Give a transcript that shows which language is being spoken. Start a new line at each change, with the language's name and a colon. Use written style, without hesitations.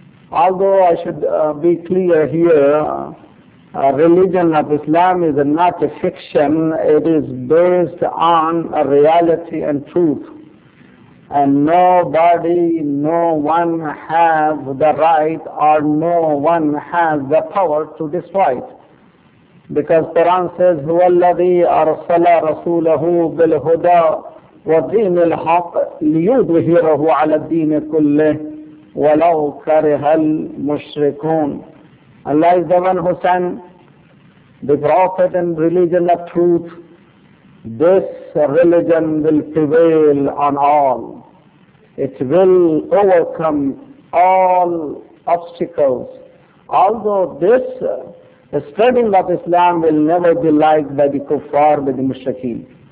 English: Although I should be clear here, religion of Islam is not a fiction, it is based on a reality and truth. And nobody, no one has the right or no one has the power to destroy it. Because Quran says,
Arabic: هُوَ الَّذِي أَرْسَلَ رَسُولَهُ بِالْهُدَى وَدِينِ الْحَقِّ لِيُدْهِرَهُ عَلَى الدِّينِ كُلِّهِ وَلَوْ كَرِهَ الْمُشْرِكُونَ.
English: Allah is the one who sent the prophet and religion of truth. This religion will prevail on all. It will overcome all obstacles. Although this spreading of Islam will never be liked by the kuffar, by the mushrikeen.